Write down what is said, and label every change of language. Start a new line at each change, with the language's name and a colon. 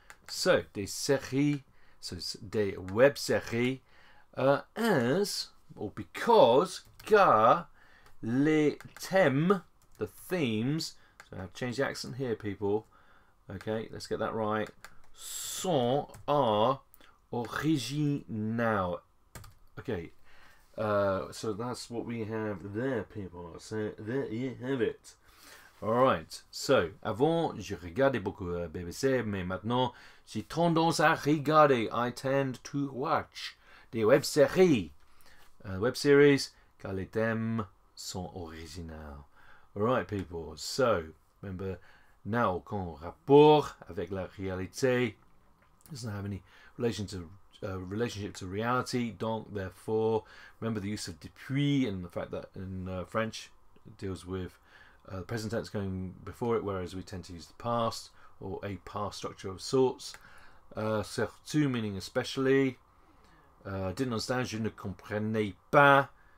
English: So
French: des séries,
English: so it's
French: des web séries,
English: as or because
French: car les thèmes,
English: the themes. So I've changed the accent here, people. Okay, let's get that right. Sont are original. Okay, so that's what we have there, people. So there you have it. All right, so
French: avant, je regardais beaucoup BBC, mais maintenant, j'ai tendance à regarder.
English: I tend to watch
French: des web séries.
English: Web series,
French: car les thèmes sont originaux.
English: All right, people. So, remember,
French: n'a aucun rapport avec la réalité.
English: Doesn't have any relationship to reality. Donc, therefore, remember the use of depuis and the fact that in French it deals with the present tense going before it, whereas we tend to use the past or a past structure of sorts. Surtout, meaning especially. Didn't understand,
French: je ne comprenais pas.